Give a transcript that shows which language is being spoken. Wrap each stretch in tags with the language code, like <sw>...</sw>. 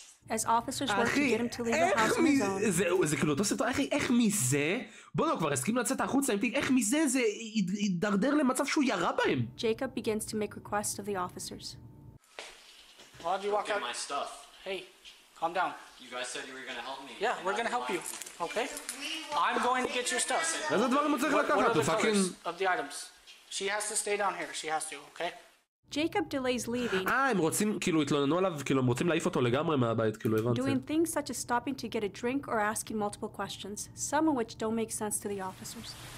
<en>As officers work to get him to leave the house alone.</en> <he>זה זה כאילו אותו סרטון, אחי, איך מזה? בוא נו, כבר הסכים לצאת החוצה, איך מזה זה ידרדר למצב שהוא ירה בהם?</he> <en>Jacob begins to make requests of the officers. Why'd you walk out? Get my stuff. Hey, calm down. You guys said you were gonna help me. Yeah, we're gonna help you, okay? I'm going to get your stuff.</en> <he>איזה דבר הוא צריך לקחת?</he> <en>What are the colors of the items? She has to stay down here, she has to, okay? Jacob delays leaving.</en> <he>הם רוצים, כאילו, התלוננו עליו, כאילו, הם רוצים להעיף אותו לגמרי מהבית, כאילו, הבנתי.</he> <en>Doing things such as stopping to get a drink or asking multiple questions, some of which don't make sense to the officers.</en>